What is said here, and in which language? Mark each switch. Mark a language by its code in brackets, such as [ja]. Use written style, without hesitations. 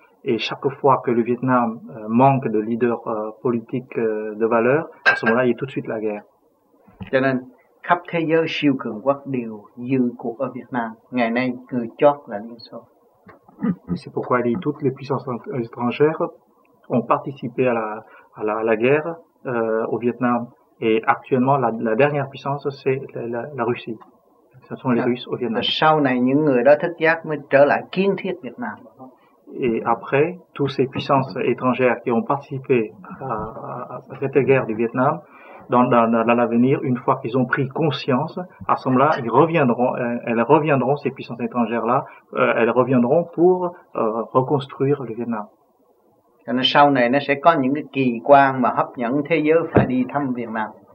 [fr] Et chaque fois que le Vietnam manque de leader politique de valeur, à ce moment-là, il y a tout de suite la guerre. [vi] Cho nên khắp thế giới siêu cường quốc đều dư cuộc ở Việt Nam. Ngày nay người chót là Liên Xô. [fr] C'est pourquoi il y a toutes les puissances étrangères ont participé à la guerre au Vietnam. Et actuellement, la dernière puissance, c'est la Russie. Ce sont les Russes au Vietnam. [vi] Sau này, những người đó thức giác mới trở lại kiến thiết Việt Nam. [fr] Et après, toutes ces puissances étrangères qui ont participé à cette guerre du Vietnam, dans l'avenir, une fois qu'ils ont pris conscience, à ce moment-là, elles reviendront, ces puissances étrangères-là, elles reviendront pour reconstruire le Vietnam. [vi] Sau này nó sẽ có những cái kỳ quan mà hấp dẫn thế giới phải đi thăm Việt Nam.